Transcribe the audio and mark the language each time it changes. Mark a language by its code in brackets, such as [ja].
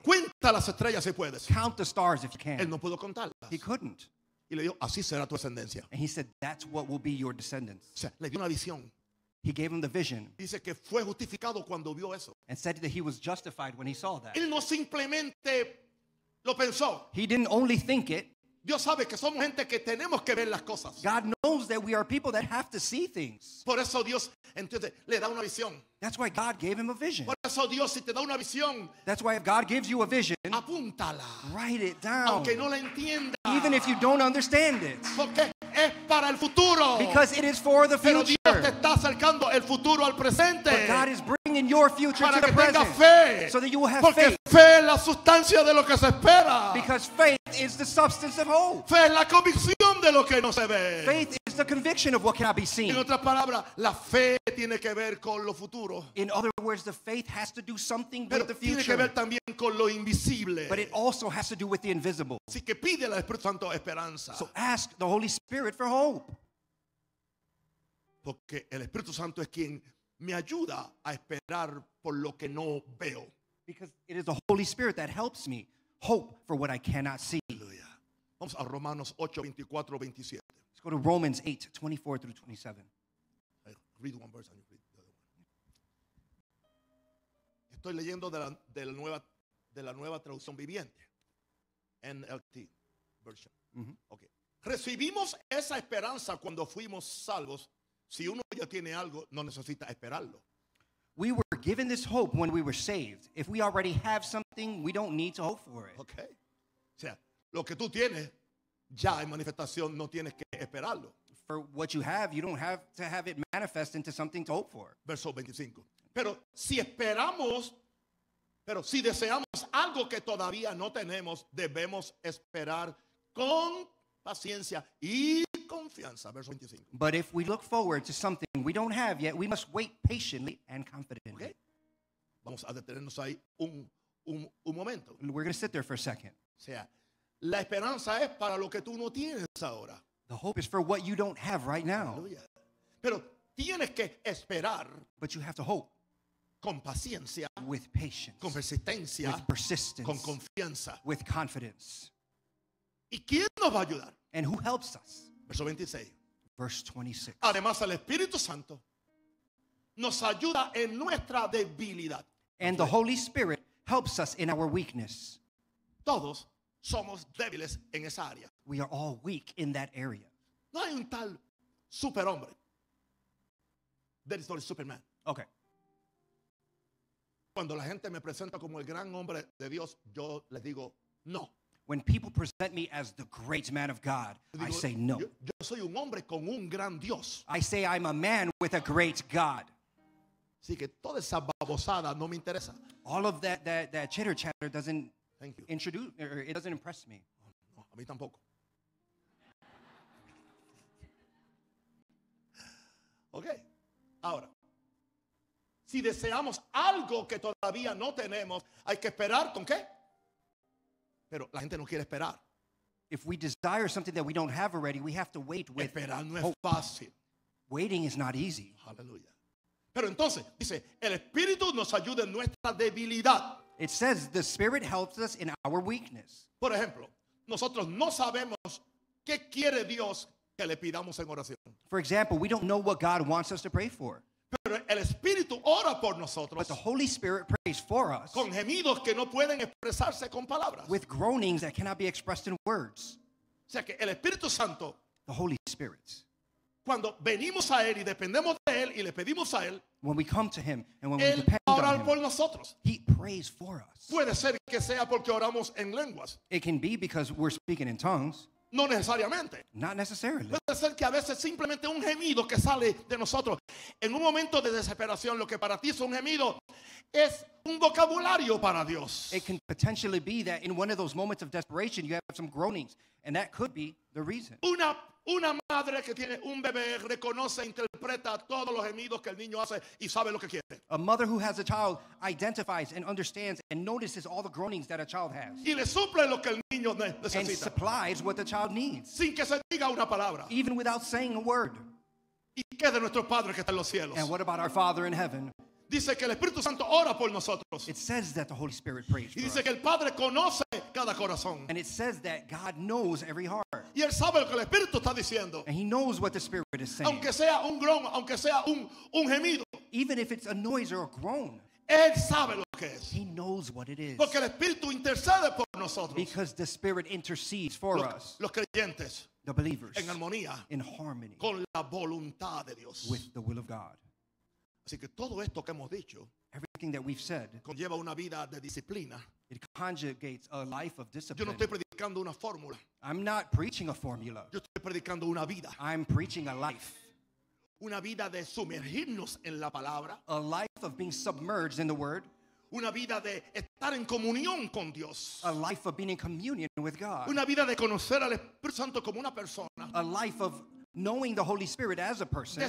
[es] Cuenta las estrellas si puedes. [en] Count the stars if you can. [es] Él no pudo contarlas. [en] He couldn't. [es] Y le dijo, así será tu descendencia. [en] And he said, that's what will be your descendants. [es] O sea, le dio una visión. [en] He gave him the vision. [es] Dice que fue justificado cuando vio eso. [en] And said that he was justified when he saw that. [es] Él no simplemente lo pensó. [en] He didn't only think it. [es] Dios sabe que somos gente que tenemos que ver las cosas. [en] God knows that we are people that have to see things. [es] Por eso Dios entonces le da una visión. [en] That's why God gave him a vision. [es] Por eso Dios si te da una visión. [en] That's why if God gives you a vision, [es] apúntala. [en] Write it down. [es] Aunque no la entienda. [en] Even if you don't understand it. [es] Porque es para el futuro. [en] Because it is for the future. [es] Pero Dios te está acercando el futuro al presente. [en] But God is bringing your future [es] para [en] to the present. [es] Para que tengas fe. [en] So that you will have [es] porque [en] faith. [es] Porque fe es la sustancia de lo que se espera. [en] Because faith is the substance of hope. [es] Fe es la convicción de lo que no se ve. [en] Faith is the conviction of what cannot be seen. [es] En otras palabras, la fe tiene que ver con lo futuro. [en] In other words, the faith has to do something [es] pero [en] with the future. [es] Tiene que ver también con lo invisible. [en] But it also has to do with the invisible. [es] Así que pide al Espíritu Santo esperanza. [en] So ask the Holy Spirit for hope. [es] Porque el Espíritu Santo es quien me ayuda a esperar por lo que no veo. [en] Because it is the Holy Spirit that helps me hope for what I cannot see. [es] Hallelujah. Vamos a Romanos 8, 24, 27. [en] Let's go to Romans 8, 24 through 27. I'll read one verse and you read. [es] Estoy leyendo de la nueva traducción viviente, [en] NLT version. Mm-hmm. [es] Okay. Recibimos esa esperanza cuando fuimos salvos. Si uno ya tiene algo, no necesita esperarlo. [en] We were given this hope when we were saved. If we already have something, we don't need to hope for it. Okay. [es] O sea, lo que tú tienes ya en manifestación, no tienes que esperarlo. [en] For what you have, you don't have to have it manifest into something to hope for. [es] Verso 25. Pero si deseamos algo que todavía no tenemos, debemos esperar con paciencia y confianza. Verso 25. [en] But if we look forward to something we don't have yet, we must wait patiently and confidently. [es] Okay. Vamos a detenernos ahí un momento. [en] We're going to sit there for a second. [es] O sea, la esperanza es para lo que tú no tienes ahora. [en] The hope is for what you don't have right now. [es] Pero tienes que esperar. [en] But you have to hope. [es] Con paciencia, [en] with patience, [es] con persistencia, [en] with persistence, [es] con confianza, [en] with confidence. [es] ¿Y quién nos va a ayudar? [en] And who helps us? [es] Verso 26. [en] Verse 26. [es] Además, el Espíritu Santo nos ayuda en nuestra debilidad. [en] And the Holy Spirit helps us in our weakness. [es] Todos somos débiles en esa área. [en] We are all weak in that area. [es] No hay un tal superhombre. [en] There is no Superman. Okay. [es] Cuando la gente me presenta como el gran hombre de Dios, yo les digo no. [en] When people present me as the great man of God, I say no. [es] Yo soy un hombre con un gran Dios. [en] I say I'm a man with a great God. [es] Así que toda esa babosada no me interesa. [en] All of that chitter chatter doesn't introduce or it doesn't impress me. [es] No, a mí tampoco. Okay. Ahora, si deseamos algo que todavía no tenemos, hay que esperar con qué. Pero la gente no quiere esperar. [en] If we desire something that we don't have already, we have to wait with. [es] Esperar no es fácil. [en] Waiting is not easy. [es] Aleluya. Pero entonces, dice, el Espíritu nos ayuda en nuestra debilidad. [en] It says the Spirit helps us in our weakness. [es] Por ejemplo, nosotros no sabemos qué quiere Dios que le pidamos en oración. [en] For example, we don't know what God wants us to pray for. [es] Pero el Espíritu ora por nosotros. [en] But the Holy Spirit prays for us. [es] Con gemidos que no pueden expresarse con palabras. [en] With groanings that cannot be expressed in words. [es] O sea que el Espíritu Santo. [en] The Holy Spirit. [es] Cuando venimos a Él y dependemos de Él y le pedimos a Él. [en] When we come to Him and when [es] Él [en] we depend on Him. [es] Él ora por nosotros. [en] He prays for us. [es] Puede ser que sea porque oramos en lenguas. [en] It can be because we're speaking in tongues. [es] No necesariamente. [en] Not necessarily. [es] Puede ser que a veces simplemente un gemido que sale de nosotros en un momento de desesperación, lo que para ti es un gemido, es un vocabulario para Dios. [en] It can potentially be that in one of those moments of desperation you have some groanings, and that could be the reason. [es] Una madre que tiene un bebé reconoce, interpreta todos los gemidos que el niño hace y sabe lo que quiere. [en] A mother who has a child identifies and understands and notices all the groanings that a child has. [es] Y le suple lo que el niño necesita. [en] And supplies what the child needs. [es] Sin que se diga una palabra. [en] Even without saying a word. [es] ¿Y qué de nuestro Padre que está en los cielos? [en] And what about our Father in heaven? [es] Dice que el Espíritu Santo ora por nosotros. [en] It says that the Holy Spirit prays for us. [es] Y dice que el Padre conoce cada corazón. [en] And it says that God knows every heart. [es] Y él sabe lo que el Espíritu está diciendo. [en] And he knows what the Spirit is saying. [es] Aunque sea un groan, aunque sea un gemido. [en] Even if it's a noise or a groan. [es] Él sabe lo que es. [en] He knows what it is. [es] Porque el Espíritu intercede por nosotros. [en] Because the Spirit intercedes for us. [es] Los creyentes. [en] The believers. [es] En armonía. [en] In harmony. [es] Con la voluntad de Dios. [en] With the will of God. [es] Así que todo esto que hemos dicho, [en] everything that we've said, [es] conlleva una vida de disciplina. [en] It conjugates a life of discipline. [es] Yo no estoy predicando una fórmula. [en] I'm not preaching a formula. [es] Yo estoy predicando una vida. [en] I'm preaching a life. [es] Una vida de sumergirnos en la palabra. [en] A life of being submerged in the word. [es] Una vida de estar en comunión con Dios. [en] A life of being in communion with God. [es] Una vida de conocer al Espíritu Santo como una persona. [en] A life of knowing the Holy Spirit as a person.